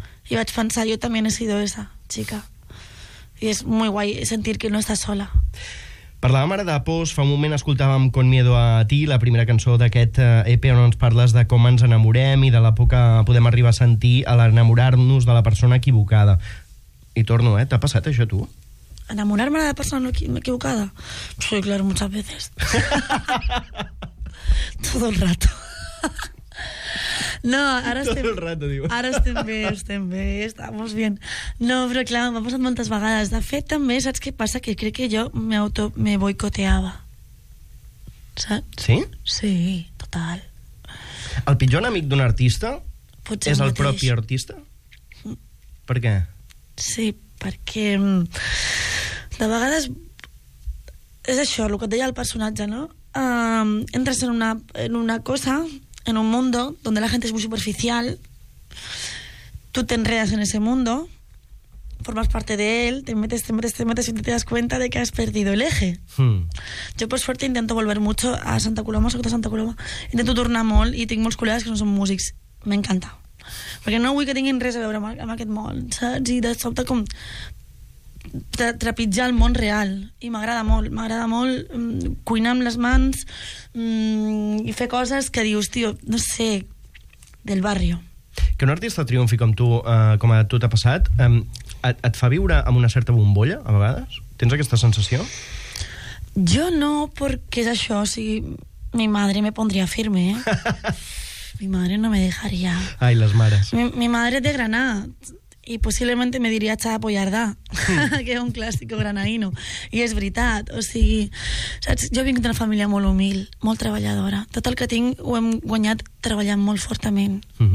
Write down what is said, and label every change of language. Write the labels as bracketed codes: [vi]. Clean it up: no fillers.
[ca] I vaig pensar, jo també [es] he sido esa chica. Y es muy guay sentir que no estás sola. [ca] Parlàvem ara de pors. Fa un moment escoltàvem Con miedo a ti, la primera cançó d'aquest EP, on ens parles de com ens enamorem i de l'por que podem arribar a sentir a l'enamorar-nos de la persona equivocada. I torno, t'ha passat això a tu? Enamorar-me de la persona equivocada? Sí, [es] claro, muchas veces. Todo el rato. [ca] No, ara estem bé, [es] estamos bien. [ca] No, però clar, m'ha passat moltes vegades. De fet, també, saps què passa? Que crec que jo me boicoteava. Saps? Sí? Sí, total. El pitjor enemic d'un artista és el propi artista? Per què? Sí, perquè... de vegades... és això, el que et deia el personatge, no? Entres en una cosa... [es] en un mundo donde la gente es muy superficial, tú te enredas en ese mundo, formas parte de él, te metes y te das cuenta de que has perdido el eje. Yo por suerte intento volver mucho a Santa Coloma, [ca] sobre todo a Santa Coloma, intento tornar molt i tinc molts col·legues que no són músics, m'encanta, perquè no vull que tinguin res a veure amb aquest món, saps? I de sobte com trepitjar el món real i m'agrada molt cuinar amb les mans i fer coses que dius, tio, no sé, del barrio. Que un artista triomfi com tu, com a tu t'ha passat, et fa viure amb una certa bombolla, a vegades? Tens aquesta sensació? Jo no, perquè és això, o sigui, [es] mi madre me pondría firme, [ca] eh? [es] Mi madre no me dejaría. [ca] Ai, les mares. [es] Mi madre es de Granada. Y posiblemente me diría Chava Pollardá, que es un clásico granaíno. Y es verdad, [ca] o sigui, saps? Jo vinc d'una família molt humil, molt treballadora. Tot el que tinc ho hem guanyat treballant molt fortament.